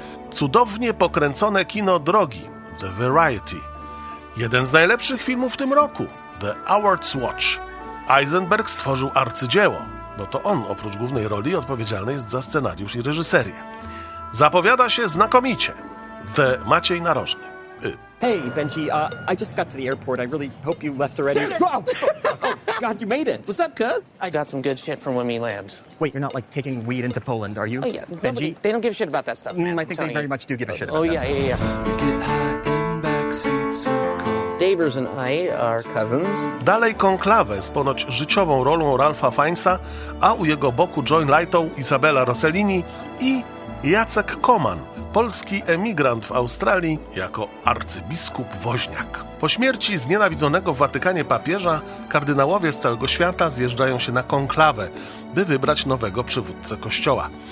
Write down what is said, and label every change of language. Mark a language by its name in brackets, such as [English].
[Polish] Cudownie pokręcone kino drogi, The Variety. Jeden z najlepszych filmów w tym roku, The Hours Watch. Eisenberg stworzył arcydzieło, bo to on oprócz głównej roli odpowiedzialny jest za scenariusz i reżyserię. Zapowiada się znakomicie. The Maciej Narożny. [English] Hey, Benji, I just got to the airport. I really hope you left already. God, you made it. What's up, cuz? I got some good shit from when we land. Wait, you're not like taking weed into Poland, are you? Oh, yeah. Benji? Nobody, they don't give a shit about that stuff. I think they very much do give a shit about that stuff. Oh, yeah. We get high in backseat circle. Davers and I are cousins. [Polish] Dalej Konklawę z ponoć życiową rolą Ralpha Fiennesa, a u jego boku John Lightow, Isabella Rossellini i Jacek Koman, polski emigrant w Australii jako arcybiskup Woźniak. Po śmierci znienawidzonego w Watykanie papieża kardynałowie z całego świata zjeżdżają się na konklawę, by wybrać nowego przywódcę kościoła.